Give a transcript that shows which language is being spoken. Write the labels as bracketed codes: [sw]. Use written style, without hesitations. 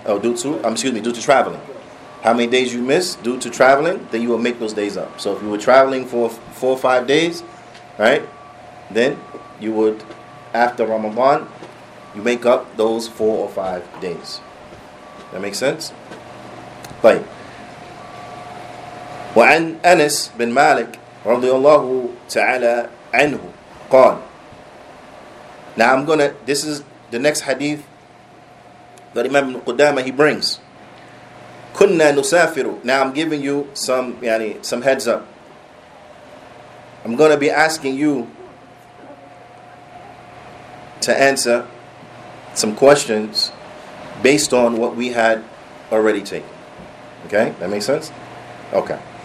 [en] Due to traveling. How many days you miss due to traveling, then you will make those days up. So if you were traveling for 4 or 5 days, right, then you would, after Ramadan, you make up those 4 or 5 days. That makes sense? طيب. [ar] وعن أنس بن مالك رضي الله تعالى عنه قال. [en] Now I'm gonna, this is the next hadith that Imam ibn Qudamah he brings. [ar] كنا نسافر. [en] Now I'm giving you some heads up. I'm gonna be asking you to answer some questions based on what we had already taken. Okay, that makes sense? Okay.